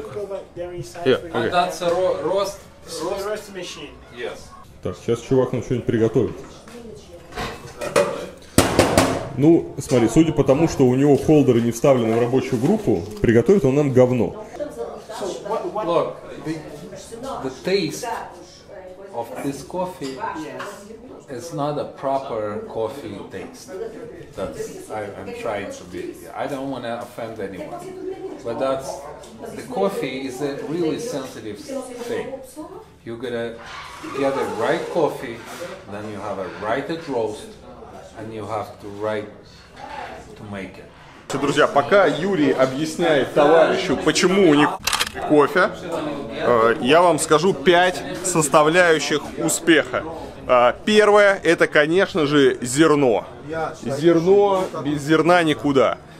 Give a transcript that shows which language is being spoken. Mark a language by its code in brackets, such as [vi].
[en] Пытаться рост машин. Yes. [ru] Так, сейчас чувак нам что-нибудь приготовит. Ну, смотри, судя по тому, что у него холдеры не вставлены в рабочую группу, приготовит он нам говно. [en] Look, the taste of this coffee is not a proper coffee taste. That's I'm trying to be. I don't want to offend anyone. But that's the coffee is a really sensitive thing. You gotta get the right coffee, then you have a right roast, and you have to right to make it. [ru] Друзья, пока Юрий объясняет товарищу, почему у них кофе, я вам скажу 5 составляющих успеха. Первое, это, конечно же, зерно. Зерно, без зерна никуда.